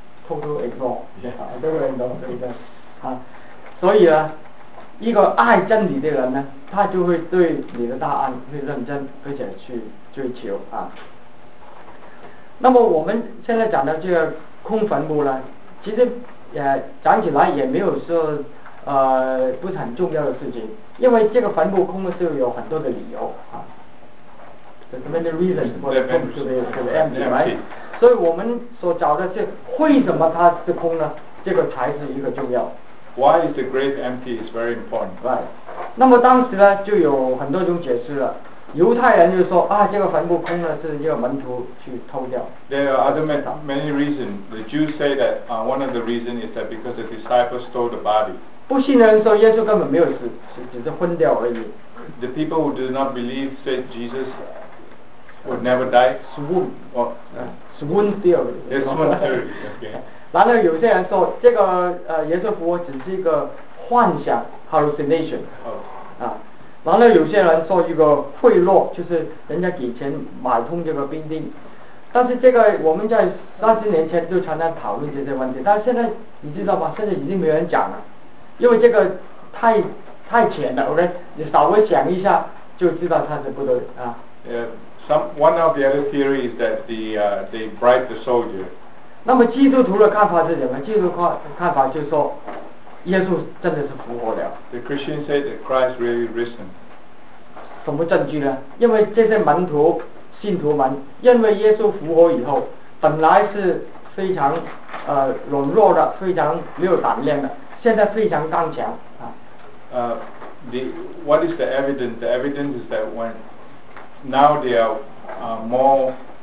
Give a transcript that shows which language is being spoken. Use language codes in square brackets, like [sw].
[en] Total ignore， [zh] 对不对？所以呢，一个爱真理的人呢，他就会对你的答案会认真，而且去追求那么我们现在讲的这个空坟墓呢，其实也讲起来也没有说不是很重要的事情，因为这个坟墓空的时候有很多的理由 [en] There's many reasons for the tomb to be empty, right? [zh] 所以我们所找的是为什么它是空呢？这个才是一个重要。 [en] Why is the grave empty is very important, [zh] right? 那么当时呢，就有很多种解释了。犹太人就说啊，这个坟墓空了，是叫门徒去偷掉。 [en] There are other many reasons. The Jews say that one of the reasons is that because the disciples stole the body. [zh] 不信的人说耶稣根本没有死，只是昏掉而已。 [en] The people who do not believe said Jesus would never die. Swooned. Swooned theory. Swooned theory. [zh] Okay. 然后有些人说这个耶稣复活只是一个幻想 hallucination. 然后有些人说一个贿赂，就是人家给钱买通这个兵丁，但是这个我们在30年前就常常讨论这些问题，但是现在你知道吗？现在已经没有人讲了，因为这个太浅了 ，OK？你稍微想一下就知道它是不对啊。 [en] One of the other theories is that they bribe the soldier. [zh] 那么基督徒的看法是什么？基督徒的看法就是说。耶稣真的是复活了。 [en] The Christians say that Christ really risen. [zh] 什么证据呢？因为这些门徒、信徒们认为耶稣复活以后，本来是非常软弱的，非常没有胆量的，现在非常刚强啊。 [en] What is the evidence? The evidence is that when now they are more